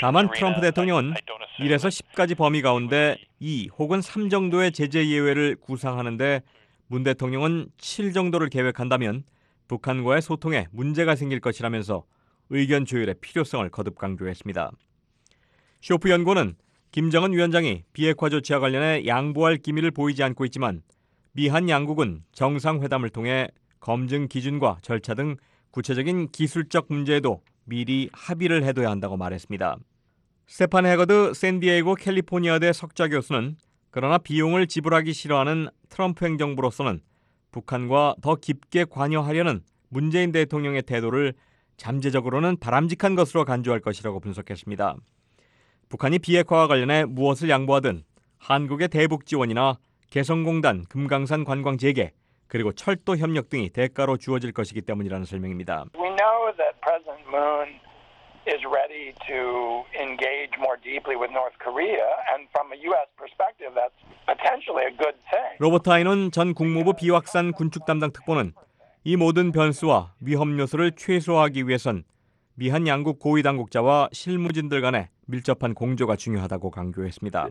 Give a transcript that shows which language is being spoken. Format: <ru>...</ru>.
<ko>다만 트럼프 대통령은 1에서 10가지 범위 가운데 2 혹은 3 정도의 제재 예외를 구상하는데 문 대통령은 7 정도를 계획한다면 북한과의 소통에 문제가 생길 것이라면서 의견 조율의 필요성을 거듭 강조했습니다. 쇼프 연구원은 김정은 위원장이 비핵화 조치와 관련해 양보할 기미를 보이지 않고 있지만 미한 양국은 정상회담을 통해 검증 기준과 절차 등 구체적인 기술적 문제에도 미리 합의를 해둬야 한다고 말했습니다. 스테판 해거드 샌디에이고 캘리포니아대 석좌 교수는 그러나 비용을 지불하기 싫어하는 트럼프 행정부로서는 북한과 더 깊게 관여하려는 문재인 대통령의 태도를 잠재적으로는 바람직한 것으로 간주할 것이라고 분석했습니다. 북한이 비핵화와 관련해 무엇을 양보하든 한국의 대북 지원이나 개성공단, 금강산 관광 재개, 그리고 철도 협력 등이 대가로 주어질 것이기 때문이라는 설명입니다.</ko> <en>We know that President Moon is ready to engage more deeply with North Korea, and from a U.S. perspective, that's potentially a good thing.</en> <ko>로버트 하이논 전 국무부 비확산 군축 담당 특보는 이 모든 변수와 위험 요소를 최소화하기 위해선 미한 양국 고위 당국자와 실무진들 간의 밀접한 공조가 중요하다고 강조했습니다.</ko>